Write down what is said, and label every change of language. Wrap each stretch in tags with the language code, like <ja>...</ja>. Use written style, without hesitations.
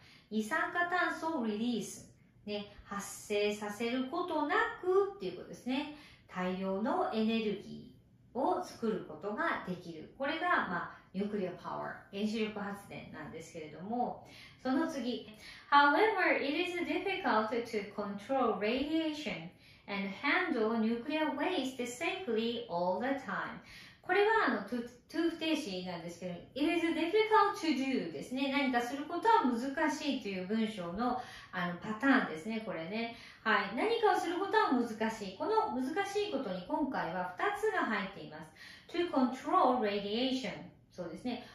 <ja>二酸化炭素をリリース。ね、発生させることなくっていうことですね。大量のエネルギーを作ることができる。これが、まあ、ニュークリアパワー、原子力発電なんですけれども、その次。</ja> <en>However, it is difficult to control radiation and handle nuclear waste safely all the time.</en> <ja>これは、トゥー不定詞なんですけど、</ja> <en>it is difficult to do</en> <ja>ですね。何かすることは難しいという文章の、パターンですね、これね。はい。何かをすることは難しい。この難しいことに今回は2つが入っています。</ja> <en>to control radiation。</en> <ja>そうですね。</ja>